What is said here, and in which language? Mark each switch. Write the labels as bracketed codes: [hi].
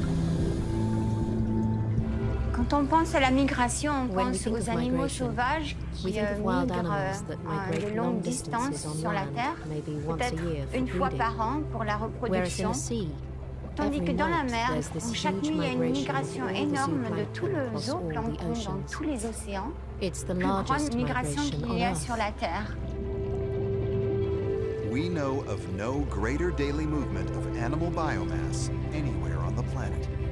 [en] When we think of migration, we think of wild animals that migrate long distances on land, maybe once a year for breeding, whereas in the sea, [fr] tandis que dans la mer, chaque nuit, il y a une migration énorme de tout le zooplankton dans tous les océans, plus grande migration qu'il y a sur la Terre. [en] We know of no greater daily movement of animal biomass anywhere on the planet.